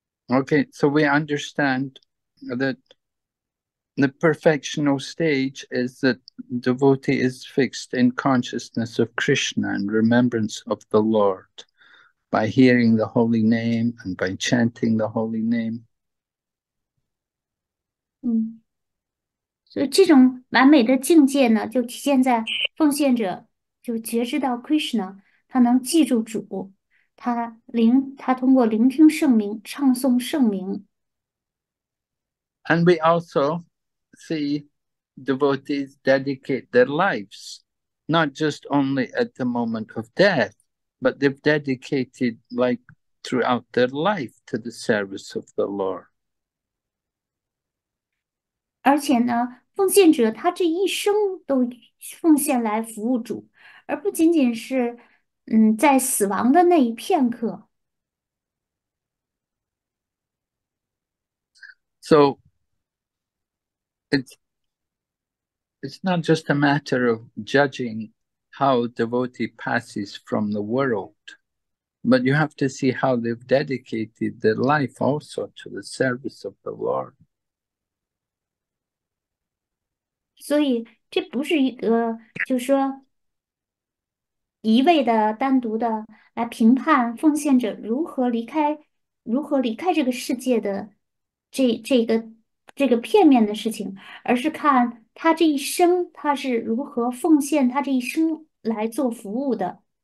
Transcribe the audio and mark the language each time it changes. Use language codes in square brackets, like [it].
[en] Okay, so we understand that the perfectional stage is that devotee is fixed in consciousness of Krishna and remembrance of the Lord by hearing the holy name and by chanting the holy name. [zh] 所以这种完美的境界呢，就体现在奉献者就觉知到 Krishna，他能记住主，他通过聆听圣名，唱诵圣名。 [en] And we also see devotees dedicate their lives, not just only at the moment of death, but they've dedicated like throughout their life to the service of the Lord. [zh] 而且呢，奉献者他这一生都奉献来服务主，而不仅仅是在死亡的那一片刻。 [en] So it's not just a matter of judging how devotee passes from the world, but you have to see how they've dedicated their life also to the service of the Lord. [zh] 所以这不是一个，就是说，一味的单独的来评判奉献者如何离开这个世界的这个片面的事情，而是看他这一生他是如何奉献他这一生来做服务的。